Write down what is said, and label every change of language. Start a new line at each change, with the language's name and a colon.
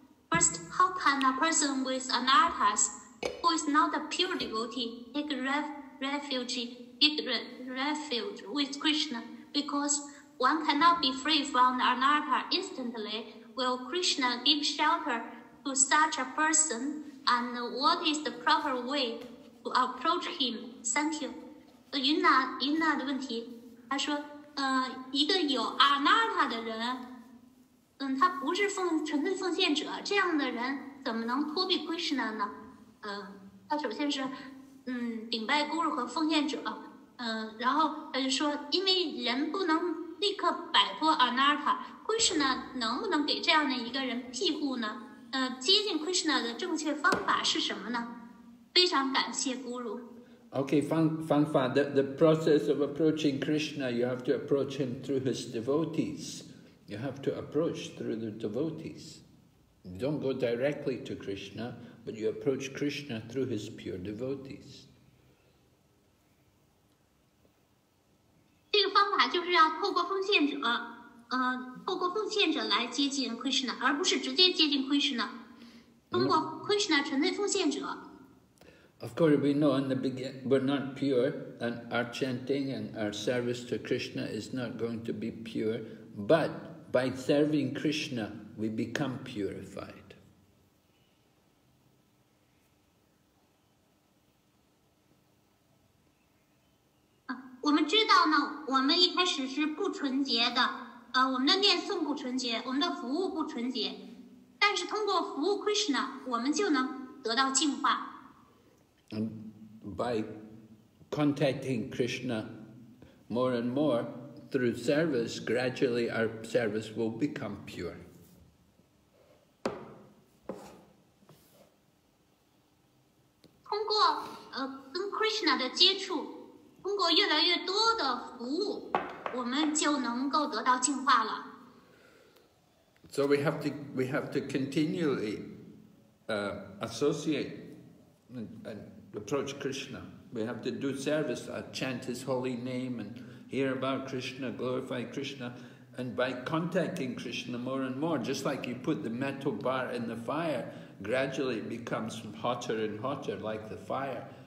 English: First, how can a person with anarthas, who is not a pure devotee, take refuge with Krishna? Because one cannot be free from anartha instantly. Will Krishna give shelter to such a person? And what is the proper way to approach him? Thank you.
Chinese: 云娜的问题，他说，一个有阿那塔的人，他不是纯粹奉献者，这样的人怎么能脱离 Krishna 呢？他首先是，顶拜 Guru 和奉献者，然后他就说，因为人不能立刻摆脱阿那塔， Krishna 能不能给这样的一个人庇护呢？接近 Krishna 的正确方法是什么呢？非常感谢 Guru。
English: Okay, 方法 the process of approaching Krishna, you have to approach him through his devotees. You have to approach through the devotees. You don't go directly to Krishna, but you approach Krishna through his pure devotees.
Chinese: 这个方法就是要透过奉献者。透过奉献者来接近 Krishna， 而不是直接接近 Krishna。通过 Krishna 纯粹奉献者。
English: Of course, we know in the beginning we're not pure, and our chanting and our service to Krishna is not going to be pure. But by serving Krishna, we become purified.
Chinese: 我们知道呢，我们一开始是不纯洁的。我们的念诵不纯洁，我们的服务不纯洁，但是通过服务 Krishna， 我们就能得到净化。
English: And by contacting Krishna more and more through service, gradually our service will become pure.
Chinese: 通过跟 Krishna 的接触，通过越来越多的服务。我们就能够得到净化了。
English: So we have to continually associate and approach Krishna. We have to do service, chant his holy name and hear about Krishna, glorify Krishna. And by contacting Krishna more and more, just like you put the metal bar in the fire, gradually it becomes hotter and hotter, like the fire.